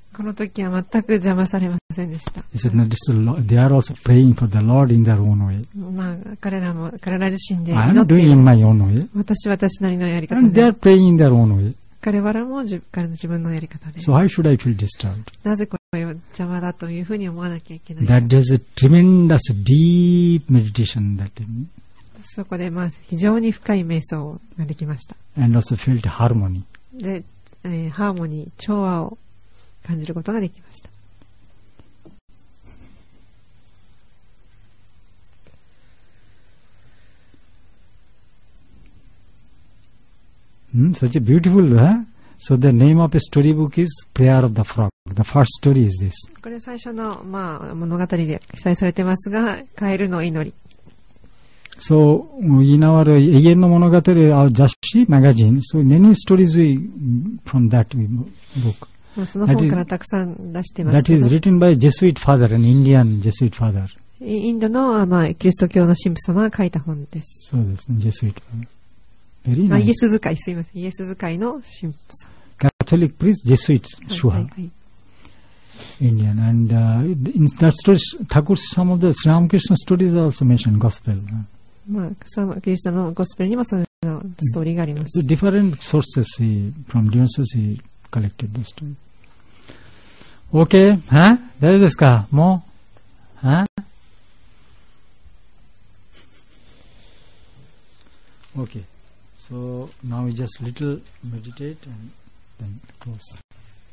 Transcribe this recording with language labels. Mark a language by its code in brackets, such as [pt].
[ja] この時は全く邪魔されませんでした。 [en] They are also praying for the Lord in their own way. [ja] まあ、彼らも彼ら自身で祈っている。 [en] I'm doing my own way. [ja] 私は私なりのやり方で。 [en] And they are praying in their own way. [ja] 彼らも彼の自分のやり方で。 [en] So why should I feel disturbed? [ja] なぜこれは邪魔だというふうに思わなきゃいけないか。 [en] That is a tremendous deep meditation that in. [ja] そこでまあ非常に深い瞑想ができました。 [en] And also felt harmony. [ja] で、ハーモニー、調和を感じることができました。 [en] Such a beautiful, huh? So the name of a storybook is Prayer of the Frog. The first story is this. [ja] これ最初の、まあ、物語で記載されてますが、カエルの祈り。 [en] So, in our [ja] 永遠の物語 [en] our Jashi magazine, so many stories we, from that book. [ja] その本からたくさん出してます。 [en] That is written by a Jesuit father, an Indian Jesuit father. [ja] インドの、まあ、キリスト教の神父様が書いた本です。そうですね、 [en] Jesuit father. Very nice. [ja] イエス遣い、すいません。イエス遣いの神父さん。 [en] Catholic priest, Jesuit, Shuha. [ja] はい、はい。 [en] Indian and in that story, Thakur, some of the Sri Ramakrishna stories are also mentioned gospel. [ja] まあ、そのキリストのゴスペルにもそのようなストーリーがあります。 [en] Different sources he, from different sources he collected the story. Okay, huh? [ja] 大丈夫ですか？ [en] もう、huh? Okay. So now we just little meditate and then close.